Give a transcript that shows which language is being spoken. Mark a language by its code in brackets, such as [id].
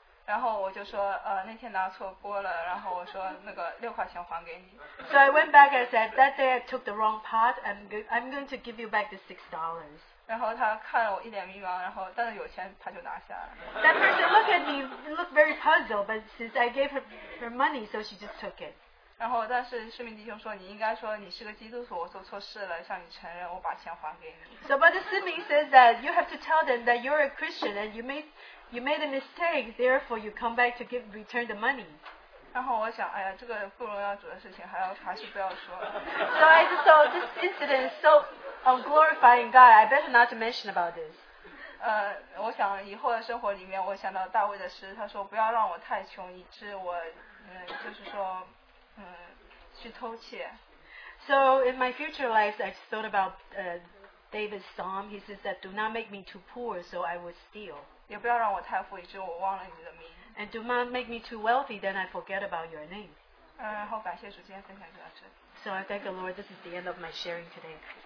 [zh] 然后我就说，那天拿错锅了，然后我说那个6块钱还给你。 [en] So I went back and said that day I took the wrong pot. I'm going to give you back the $6. [zh] 然后他看了我一脸迷茫，然后但是有钱他就拿下了。 [en] That person looked at me, looked very puzzled, but since I gave her money, so she just took it. [zh] 然后但是圣明弟兄说你应该说你是个基督徒我做错事了向你承认我把钱还给你 [en] So but the Siming says that you have to tell them that you're a Christian and you made a mistake therefore you come back to give return the money [zh] 然后我想哎呀这个不荣耀主的事情还是不要说了 [en] So I just thought this incident is so unglorifying God I better not to mention about this [zh] 我想以后的生活里面我想到大卫的诗他说不要让我太穷以致我就是说去偷窃 [en] So in my future life I just thought about David's psalm He says that do not make me too poor so I will steal [zh] 也不要让我太富以致我忘了你的名 [en] And do not make me too wealthy then I forget about your name [zh] 然后感谢主今天分享就到这 [en] So I thank the Lord this is the end of my sharing today